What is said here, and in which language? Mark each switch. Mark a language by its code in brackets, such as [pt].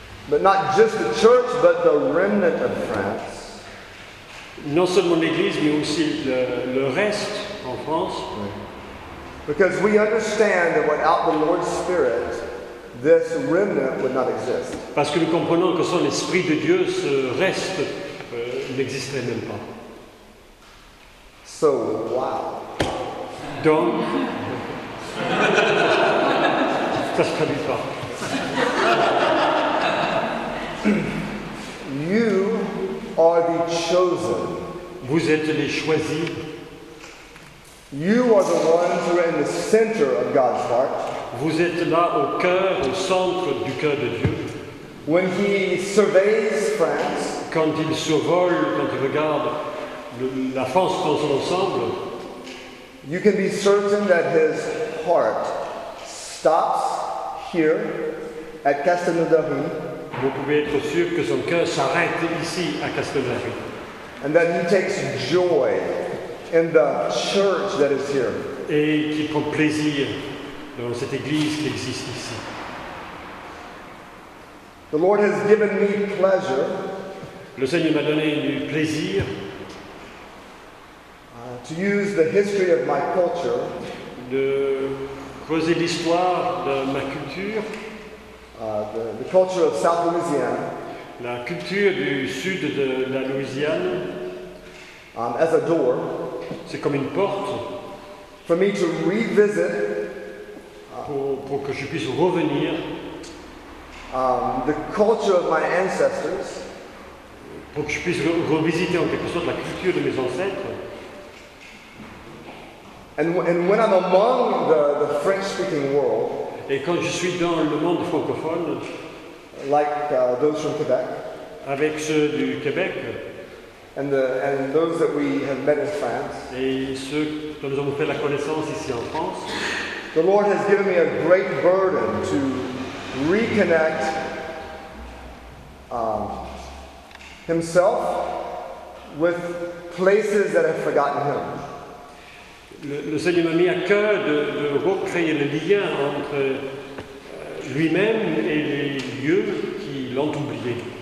[en] But not just the church, but the remnant of France. [fr] Non seulement l'Église, mais aussi le reste en France. Oui. [en] Because we understand that without the Lord's Spirit, this remnant would not exist. [fr] Parce que nous comprenons que sans l'Esprit de Dieu, ce reste n'existerait même pas. [en] So, wow. [fr] Donc, ça se traduit pas. [en] You are the chosen. [fr] Vous êtes les choisis. [en] You are the ones who are in the center of God's heart. [fr] Vous êtes là au cœur, au centre du cœur de Dieu. [en] When he surveys France, [fr] quand il survole, quand il regarde la France dans son ensemble, [en] you can be certain that his heart stops here at Castelnaudary. [fr] Vous pouvez être sûr que son cœur s'arrête ici à Castelnaudary. [en] And that he takes joy in the church that is here. [fr] Et qu'il prend plaisir dans cette église qui existe ici. [en] The Lord has given me pleasure. [fr] Le Seigneur m'a donné du plaisir. [en] To use the history of my culture. [fr] De creuser l'histoire de ma culture. [en] The culture of South Louisiana. [fr] La culture du sud de la Louisiane. [en] As a door. [fr] C'est comme une porte. [en] For me to revisit. [fr] Pour que je puisse revenir. [en] The culture of my ancestors. [fr] Pour que je puisse revisiter en quelque sorte la culture de mes ancêtres. [en] And when I'm among the French-speaking world. [fr] Et quand je suis dans le monde francophone. [en] Like those from Quebec. [fr] Avec ceux du Québec. [en] And those that we have met in France. [fr] Et ceux dont nous avons fait la connaissance ici en France. [en] The Lord has given me a great burden to reconnect himself with places that have forgotten him. [fr] Le Seigneur m'a mis à cœur de recréer le lien entre lui-même et les lieux qui l'ont oublié.